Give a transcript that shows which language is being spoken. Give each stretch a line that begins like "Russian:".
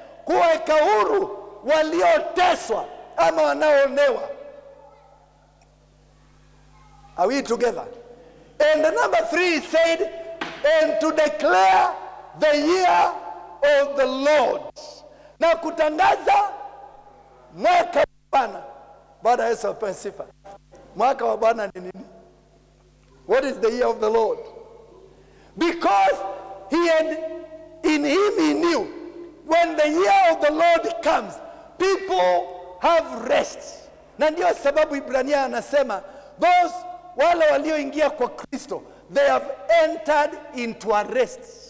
Swahili: Kuweka uhuru walioteswa ama wanaonewa.
English: Are we together? And number three, he said, and to declare the year of the Lord.
Swahili: Na kutangaza mwaka wa Bwana. Bwana Yesu apewe sifa. Mwaka wa Bwana ni nini?
English: What is the year of the Lord? Because he had, in him he knew, when the year of the Lord comes, people have rest.
Swahili: Na ndio sababu Ibrania anasema, those wale walioingia kwa Kristo,
English: they have entered into a rest.